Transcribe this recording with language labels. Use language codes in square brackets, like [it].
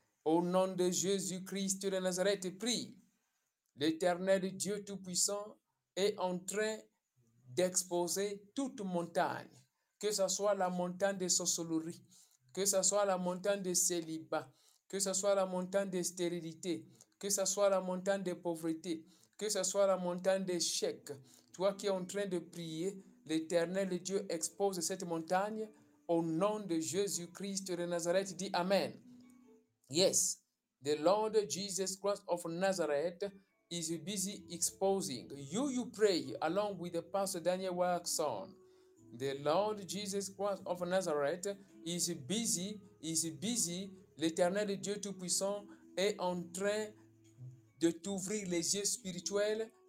[fr] Au nom de Jésus-Christ de Nazareth, prie. L'Éternel Dieu Tout-Puissant est en train d'exposer toute montagne, que ce soit la montagne de sorcellerie, que ce soit la montagne de célibat, que ce soit la montagne de stérilité, que ce soit la montagne de pauvreté, que ce soit la montagne d'échec. Toi qui es en train de prier, l'Éternel Dieu expose cette montagne au nom de Jésus-Christ de Nazareth. Dis Amen. [en] Yes, the Lord Jesus Christ of Nazareth is busy exposing. You pray along with the Pastor Daniel Wilson. The Lord Jesus Christ of Nazareth is busy. [fr] L'Éternel Dieu Tout-Puissant est en train de t'ouvrir les yeux spirituels.